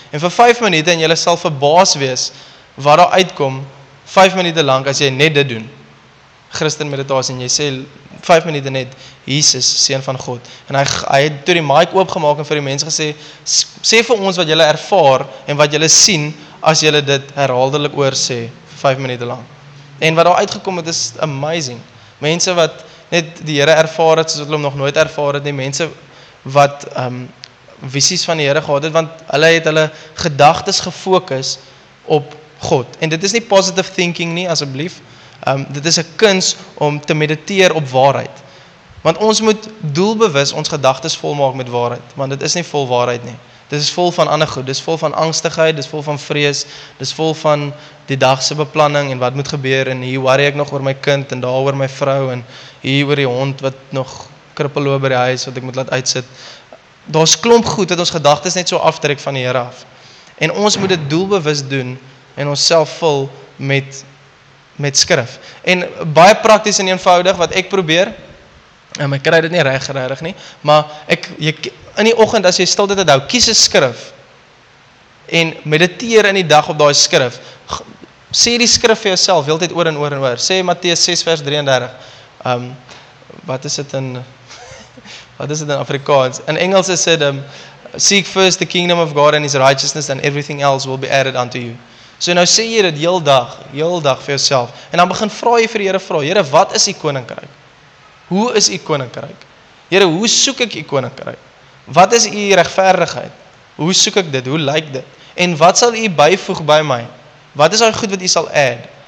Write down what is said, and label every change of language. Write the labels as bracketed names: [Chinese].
[Afrikaans] En vir 5 minute en jy sal verbaas wees wat daar uitkom 5 minute lank as jy net dit doen. Christen meditasie en jy sê 5 minute net Jesus, Seun van God. En hy het toe die mic oopgemaak en vir die mense gesê sê vir ons wat julle ervaar en wat julle sien as julle dit herhaaldelik oor sê 5 minute lank. En wat daar uitgekom het is amazing. Mense wat net die Here ervaar het soos wat hulle hom nog nooit ervaar het nie, mense wat visies van die Here gehad het, want hulle het hulle gedagtes gefokus op God. En dit is nie positive thinking nie, asseblief. Dit is 'n kuns om te mediteer op waarheid. Want ons moet doelbewus ons gedagtes volmaak met waarheid, want dit is nie vol waarheid nie. Dit is vol van ander goed, dit is vol van angstigheid, dit is vol van vrees, dit is vol van die dag se beplanning en wat moet gebeur en hier worry ek nog oor my kind en daaroor my vrou en hier oor die hond wat nog krippel loop by die huis wat ek moet laat uitsit. Daar's klomp goed wat ons gedagtes net so aftrek van die Here af. En ons moet dit doelbewus doen en onsself vul met skrif. En baie prakties en eenvoudig wat ek probeer, en ek kry dit nie regtig nie, maar in die oggend as jy stilte het, hou kies 'n skrif en mediteer in die dag op daai skrif. Sê die skrif vir jouself heeltyd oor en oor en oor. Sê Matteus 6 vers 33. Wat is dit in wat is dit in Afrikaans? In Engels is dit [English] seek first the kingdom of God and his righteousness and everything else will be added unto you. [Afrikaans] So nou sê jy dit heel dag vir jouself en dan begin vra jy vir die Here vra, Here, wat is u koninkryk? Hoe is u koninkryk? Here, hoe soek ek u koninkryk? Wat is u regverdigheid? Hoe soek ek dit? Hoe lyk dit? En wat sal u byvoeg by my? Wat is daai goed wat u sal add?